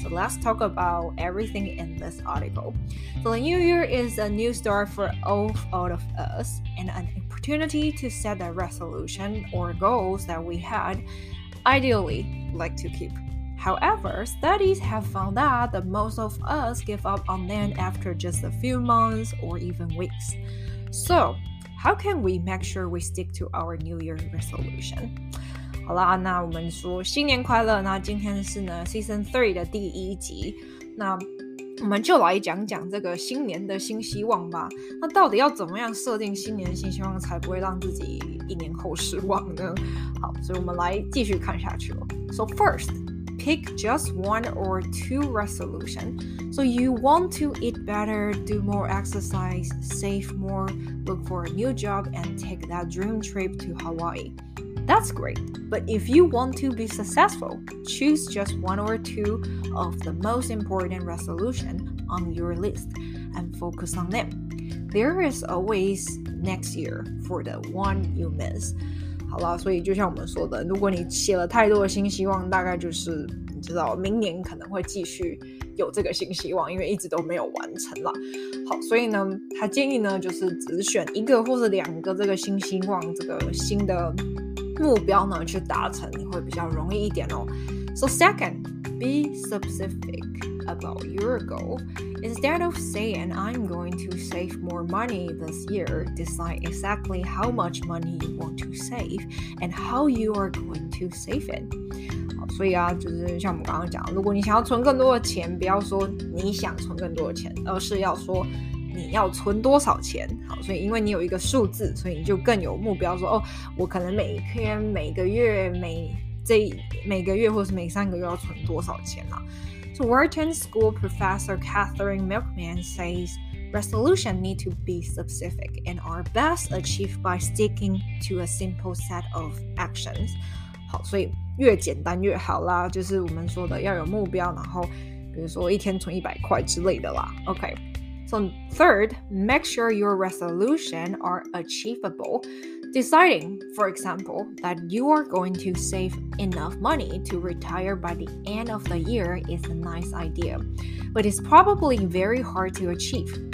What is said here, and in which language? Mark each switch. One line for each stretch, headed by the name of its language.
English: So let's talk about everything in this article. So the New Year is a new start for all of us, and an opportunity to set the resolution or goals that we had ideally like to keep. However, studies have found that the most of us give up on them after just a few months or even weeks. So, how can we make sure we stick to our New Year resolution?
Chinese: 好啦，那我们说新年快乐。那今天是呢 Season 3的第一集。那我们就来讲讲这个新年的新希望吧。那到底要怎么样设定新年新希望，才不会让自己一年后失望呢？好，所以我们来继续看下去了。
English: So first,Pick just one or two resolutions. So you want to eat better, do more exercise, save more, look for a new job, and take that dream trip to Hawaii. That's great. But if you want to be successful, choose just one or two of the most important resolutions on your list and focus on them. There is always next year for the one you miss.
Chinese: 好啦，所以就像我们说的，如果你写了太多的新希望，大概就是你知道明年可能会继续有这个新希望，因为一直都没有完成了。好，所以呢他建议呢就是只选一个或是两个这个新希望，这个新的目标呢去达成，你会比较容易一点哦。
English: So second, be specific about your goal. Instead of saying I'm going to save more money this year, decide exactly how much money you want to save and how you are going to save it.
Chinese: 所以啊，就是像我们刚刚讲，如果你想要存更多的钱，不要说你想存更多的钱，而是要说你要存多少钱。好，所以因为你有一个数字，所以你就更有目标，说哦，我可能每一天、每个月、每个月或是每三个月要存多少钱啊。
English: So Wharton School Professor Catherine Milkman says resolution need to be specific and are best achieved by sticking to a simple set of actions.
Chinese: 好，所以越简单越好啦，就是我们说的要有目标，然后比如说一天存一百块之类的啦。
English: Okay. So third, make sure your resolution are achievable. Deciding, for example, that you are going to save enough money to retire by the end of the year is a nice idea, but it's probably very hard to achieve.